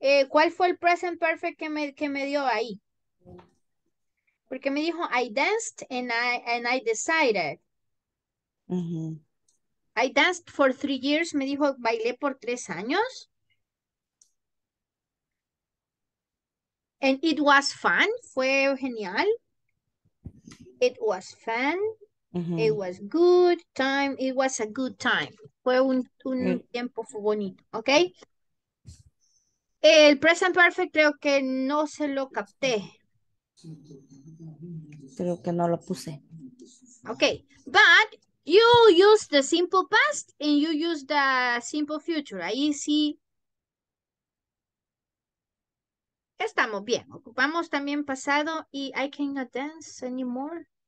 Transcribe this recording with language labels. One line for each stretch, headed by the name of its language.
Spanish: ¿Cuál fue el present perfect que me dio ahí?
English: Porque me dijo I danced and I decided. I danced for 3 years,
Spanish: me dijo, bailé por 3 años.
English: And it was fun,
Spanish: fue genial.
English: It was fun. It was good time. It was a good time.
Spanish: Fue un tiempo bonito,
English: ¿okay?
Spanish: El present perfect creo que no se lo capté. Creo que no lo puse.
English: Okay, but you use the simple past and you use the simple future.
Spanish: Ahí sí. Estamos bien. Ocupamos también pasado y
English: I cannot dance anymore.